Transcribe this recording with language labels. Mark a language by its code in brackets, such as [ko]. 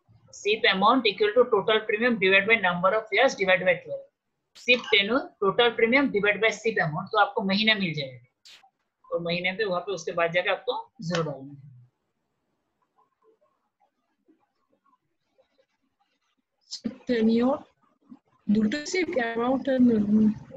[en] SIP amount equal to total premium divided by number of years divided by 12. SIP tenure total premium divided by SIP amount, [hi] तो आपको महीने मिल जाएगा और महीने पे वहाँ पे उसके बाद जाके आपको जीरो डालना है। [en] SIP tenure दूसरे SIP amount tenure